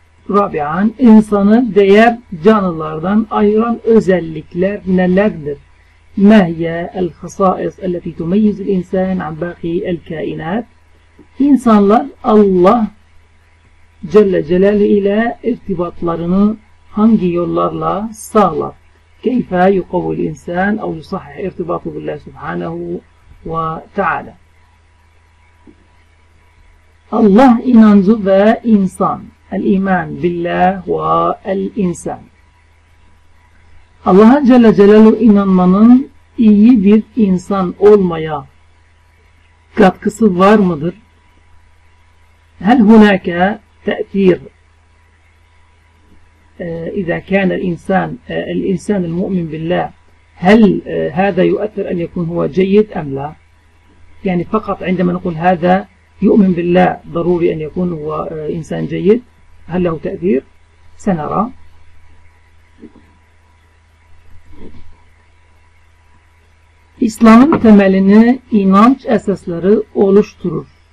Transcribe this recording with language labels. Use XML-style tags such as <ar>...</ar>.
<tr>Rabi'an, insanı değer canlılardan ayıran özellikler nelerdir?</tr> <ar>ما هي الخصائص التي تميز الإنسان عن باقي الكائنات؟</ar> <tr>İnsanlar Allah Celle Celaluhu ile irtibatlarını hangi yollarla sağlar?</tr> <ar>كيف يقوي الإنسان أو يصحح ارتباطه بالله سبحانه وتعالى؟</ar> <tr>Allah inancı ve insan.</tr> <ar>الإيمان بالله والإنسان.</ar> <tr>Allah Celle Celaluhu inanmanın İyi bir insan olmaya katkısı var mıdır?</tr> <ar>هل هناك تأثير إذا كان الإنسان المؤمن بالله هل هذا يؤثر أن يكون هو جيد أم لا؟ يعني فقط عندما نقول هذا يؤمن بالله ضروري أن يكون هو إنسان جيد هل له تأثير؟ سنرى.</ar> <tr>İslam'ın temelini inanç esasları oluşturur.</tr>